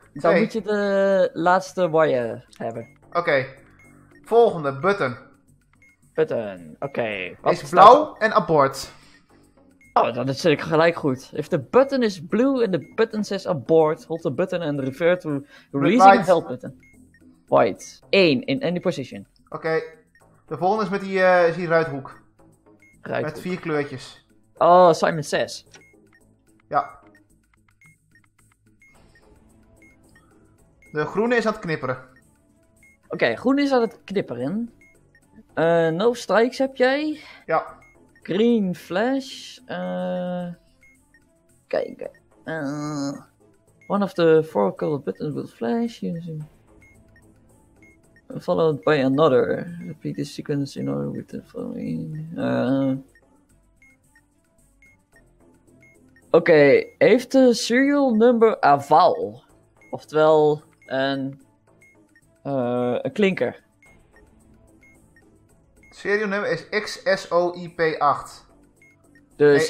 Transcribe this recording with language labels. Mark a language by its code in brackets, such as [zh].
[nl] Dan moet je de laatste wire hebben. Oké. Okay. Volgende, button. Button, oké. Okay. Is blauw en abort. Oh, dan zit ik gelijk goed. [en] If the button is blue and the button says abort, hold the button and refer to releasing the help button. White. 1 in any position. [nl] Oké. Okay. De volgende is met die, die ruithoek. Met 4 kleurtjes. Oh, Simon Says. Ja. De groene is aan het knipperen. Oké, okay, groene is aan het knipperen. [en] No strikes [nl] heb jij. Ja. [en] Green flash. Kijk. One of the 4 colored buttons will flash. Using... Followed by another. Repeat the sequence in order with the following. [nl] Oké, heeft de serial number een vowel? Oftewel een klinker. [en] Serial number is XSOIP8. [nl] Dus